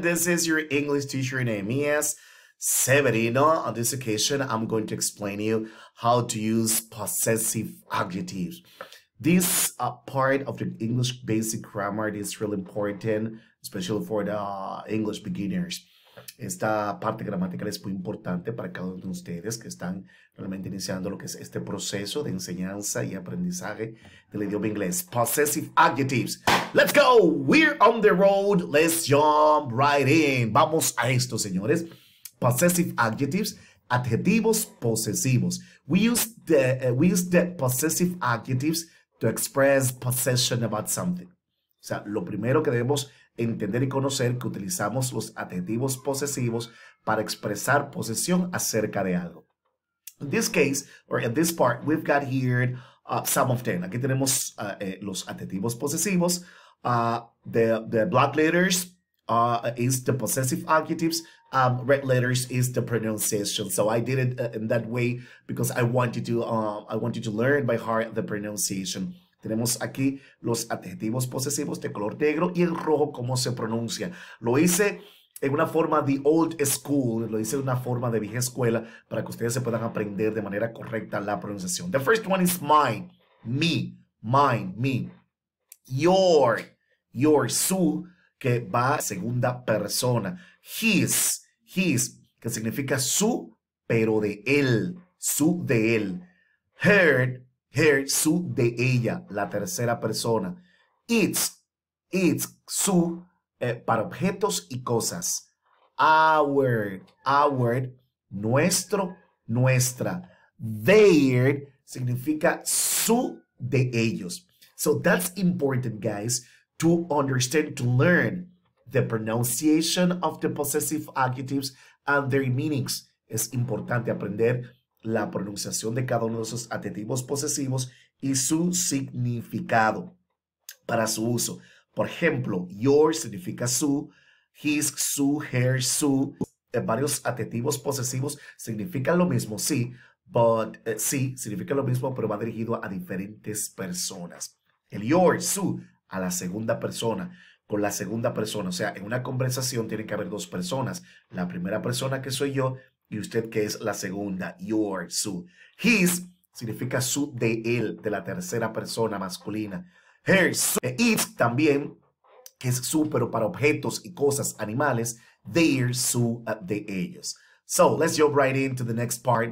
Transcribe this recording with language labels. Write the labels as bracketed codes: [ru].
[en] This is your English teacher named Mies Severino. On this occasion, I'm going to explain to you how to use possessive adjectives. This part of the English basic grammar is really important, especially for the English beginners. [es] Esta parte gramatical es muy importante para cada uno de ustedes que están realmente iniciando lo que es este proceso de enseñanza y aprendizaje del idioma inglés. [en] Possessive adjectives. Let's go. We're on the road. Let's jump right in. [es] Vamos a esto, señores. [en] Possessive adjectives. [es] Adjetivos posesivos. [en] We use the possessive adjectives to express possession about something. [es] O sea, lo primero que debemos entender y conocer que utilizamos los adjetivos posesivos para expresar posesión acerca de algo. [en] In this case, or in this part, we've got here some of them. [es] Aquí tenemos los adjetivos posesivos. [en] The black letters is the possessive adjectives. Red letters is the pronunciation. So I did it in that way because I wanted to learn by heart the pronunciation. [es] Tenemos aquí los adjetivos posesivos de color negro y el rojo, cómo se pronuncia. Lo hice en una forma de [en] old school, [es] lo hice en una forma de vieja escuela para que ustedes se puedan aprender de manera correcta la pronunciación. [en] The first one is mine, me, mine, me. [es] Your, su, que va a segunda persona. His, que significa su, pero de él, su de él. Her, su de ella, la tercera persona. It's su, para objetos y cosas. Our, nuestro, nuestra. Their significa su de ellos. [en] So that's important, guys, to understand, to learn the pronunciation of the possessive adjectives and their meanings. [es] Es importante aprender la pronunciación de cada uno de esos adjetivos posesivos y su significado para su uso. Por ejemplo, your significa su, his, su, her, su. Varios adjetivos posesivos significan lo mismo, sí, but sí, significa lo mismo, pero va dirigido a diferentes personas. El your, su, a la segunda persona, con la segunda persona. O sea, en una conversación tiene que haber dos personas. La primera persona, que soy yo, y usted, que es la segunda, your, su. His significa su de él, de la tercera persona masculina. Her, su. It, también, que es su, pero para objetos y cosas, animales. Their, su, de ellos. [en] So, let's jump right into the next part.